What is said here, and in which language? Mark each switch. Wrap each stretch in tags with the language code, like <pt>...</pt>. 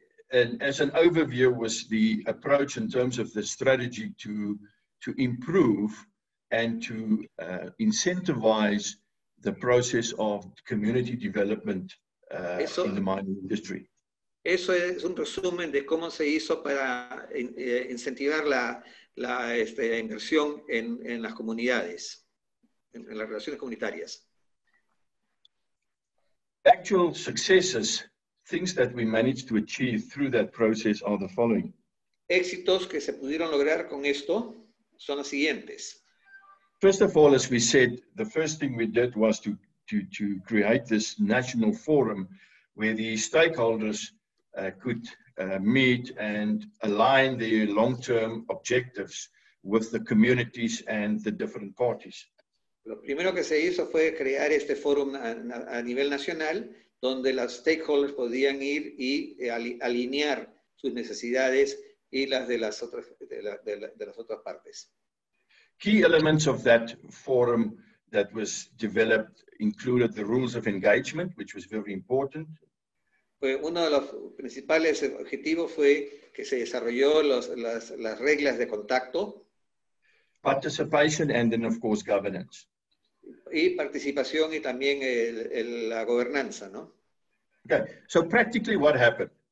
<en>As an overview, was the approach in terms of the strategy to improve and to incentivize the process of community development in the mining industry.</en> <es>Eso es un resumen de cómo se hizo para incentivar la inversión en las comunidades, en las relaciones comunitarias.</es> <en>Actual successes, things that we managed to achieve through that process, are the following.</en> <es>Éxitos que se pudieron lograr con esto son los siguientes.</es> <en>First of all, as we said, the first thing we did was to create this national forum where the stakeholders could meet and align the long-term objectives with the communities and the different parties.</en> <es>Lo primero que se hizo fue crear este forum a nivel nacional donde las stakeholders podían ir y alinear sus necesidades y las de las otras de las otras partes.</es> <en>Key elements of that forum that was developed included the rules of engagement, which was very important.</en> <es>Uno de los principales objetivos fue que se desarrolló las reglas de contacto.</es> <en>Participation and then, of course, governance.</en> <es>Y participación y también la gobernanza, ¿no?</es> <en>Okay, so practically what happened?</en>